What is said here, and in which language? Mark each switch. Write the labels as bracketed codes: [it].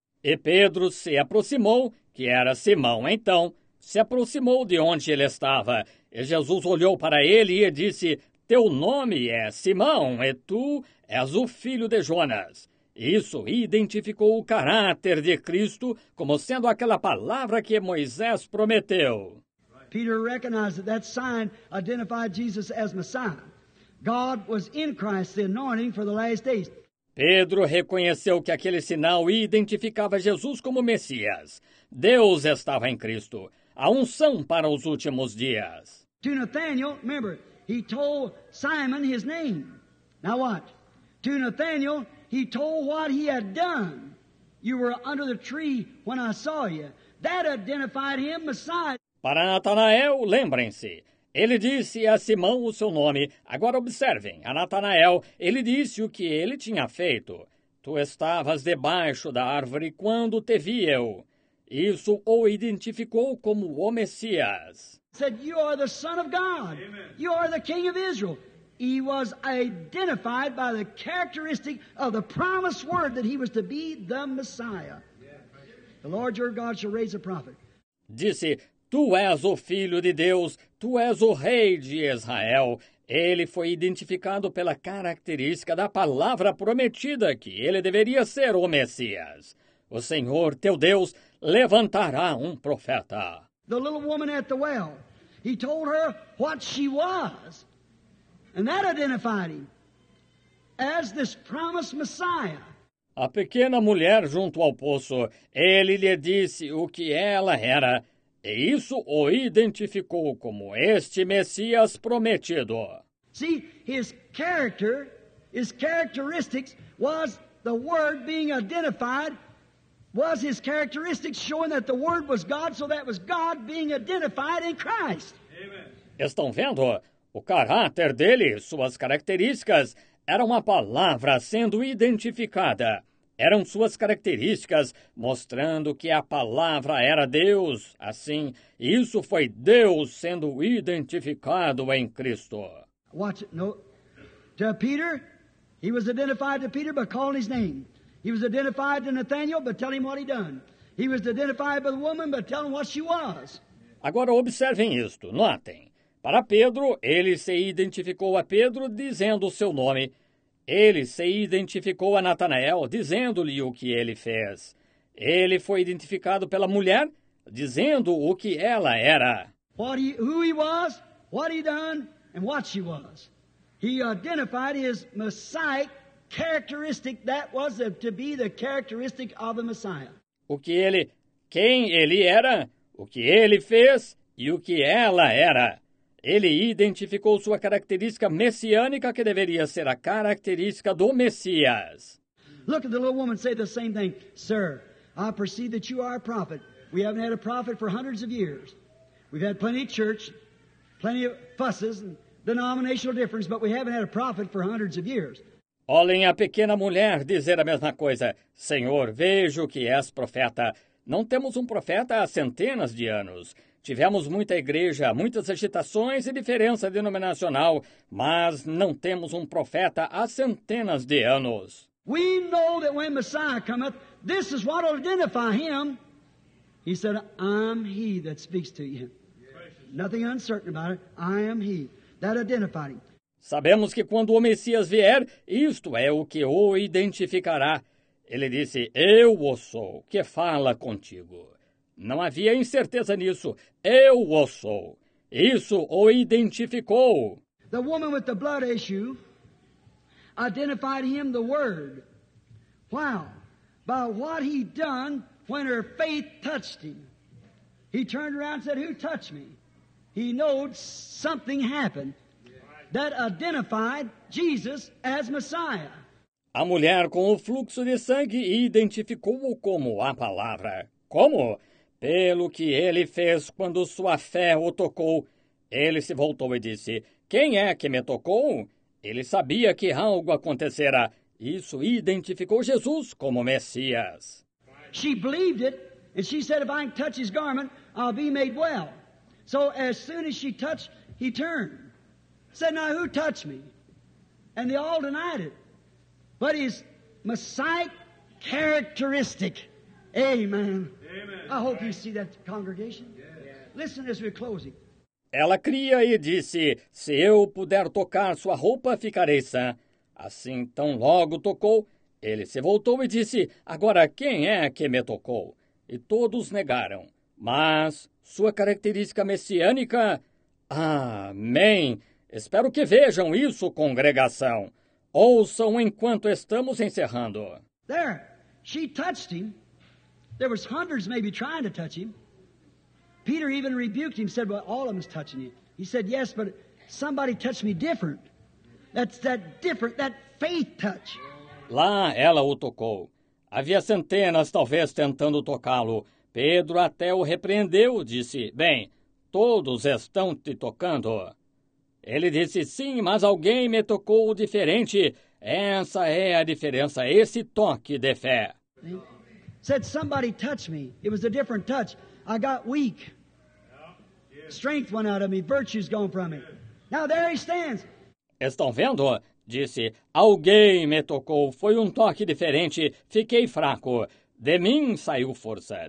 [pt] E Pedro se aproximou, que era Simão então, se aproximou de onde ele estava. E Jesus olhou para ele e disse, teu nome é Simão, e tu és o filho de Jonas. Isso identificou o caráter de Cristo como sendo aquela palavra que Moisés prometeu. [en] Peter recognized that sign identified Jesus as Messiah. God was in Christ, the anointing for the last days. [pt] Pedro reconheceu que aquele sinal identificava Jesus como Messias. Deus estava em Cristo, a unção para os últimos dias. [en] To Nathanael, remember, he told Simon his name. Now what? To Nathanael, he told what he had done. You were under the tree when I saw you. That identified him, Messiah. [pt] Para Natanael, lembrem-se. Ele disse a Simão o seu nome. Agora observem, a Natanael, ele disse o que ele tinha feito. Tu estavas debaixo da árvore quando te vi eu. Isso o identificou como o Messias. [en] Said, you are the son of God. Amen. You are the king of Israel. He was identified by the characteristic of the promised word that he was to be the Messiah. The Lord your God shall raise a prophet. [pt] Disse, tu és o filho de Deus, tu és o rei de Israel. Ele foi identificado pela característica da palavra prometida que ele deveria ser o Messias. O Senhor, teu Deus, levantará um profeta. [en] The little woman at the well, he told her what she was. And that identified him as this promised Messiah. [pt] A pequena mulher junto ao poço, ele lhe disse o que ela era. E isso o identificou como este Messias prometido. [en] See, his character, his characteristics was the word being identified, was his characteristics showing that the word was God, so that was God being identified in Christ. [pt] Amen. Estão vendo? O caráter dele, suas características, eram a palavra sendo identificada. Eram suas características mostrando que a palavra era Deus. Assim, isso foi Deus sendo identificado em Cristo. [en] Watch it. No. To Peter, he was identified to Peter by calling his name. He was identified to Nathanael by telling him what he'd done. He was identified by the woman by telling what she was. [pt] Agora observem isto, notem. Para Pedro, ele se identificou a Pedro dizendo o seu nome. Ele se identificou a Natanael dizendo-lhe o que ele fez. Ele foi identificado pela mulher, dizendo o que ela era. [en] What he, who he was, what he done, and what she was. He identified his Messiah characteristic that was to be the characteristic of the Messiah. [pt] O que ele, quem ele era, o que ele fez e o que ela era. Ele identificou sua característica messiânica que deveria ser a característica do Messias. [en] Look at the little woman say the same thing. Sir, I perceive that you are a prophet. We haven't had a prophet for hundreds of years. We've had plenty of church, plenty of fusses and denominational difference, but we haven't had a prophet for hundreds of years. [pt] Olhem a pequena mulher dizer a mesma coisa. Senhor, vejo que és profeta. Não temos um profeta há centenas de anos. Tivemos muita igreja, muitas agitações e diferença denominacional, mas não temos um profeta há centenas de anos. [en] We know that when Messiah cometh, this is what will identify him. He said, I'm he that speaks to you. Nothing uncertain about it. I am he. That identified him. [pt] Sabemos que quando o Messias vier, isto é o que o identificará. Ele disse, eu o sou, que fala contigo. Não havia incerteza nisso. Eu o sou. Isso o identificou. [en] The woman with the blood issue identified him the word. Wow. By what he done when her faith touched him. He turned around and said, who touched me? He knowed something happened. That identified Jesus as Messiah. [pt] A mulher com o fluxo de sangue identificou-o como a palavra. Como? Pelo que ele fez quando sua fé o tocou. Ele se voltou e disse, quem é que me tocou? Ele sabia que algo acontecera. Isso identificou Jesus como Messias. [en] She believed it, and she said, if I can touch his garment, I'll be made well. So as soon as she touched, he turned. Said, now who touched me? And they all denied it. But his Messiah characteristic. Amen. Amen. I hope you see that congregation. Yes. Listen as we're closing. [pt] Ela cria e disse, se eu puder tocar sua roupa, ficarei sã. Assim, tão logo tocou, ele se voltou e disse, agora quem é que me tocou? E todos negaram. Mas sua característica messiânica, amém. Espero que vejam isso, congregação. Ouçam enquanto estamos encerrando. [en] There, she touched him. There was hundreds maybe trying to touch him. Peter even rebuked him, said, well, all of them's touching you. He said, yes, but somebody touched me different. That's that different, that faith touch. [pt] Lá ela o tocou. Havia centenas, talvez, tentando tocá-lo. Pedro até o repreendeu, disse, bem, todos estão te tocando. Ele disse, sim, mas alguém me tocou diferente. Essa é a diferença, esse toque de fé. [en] Said somebody touched me. It was a different touch. I got weak. Strength went out of me. Virtue's gone from me. Now there he stands. [pt] Estão vendo? Disse, alguém me tocou. Foi um toque diferente. Fiquei fraco. De mim saiu força.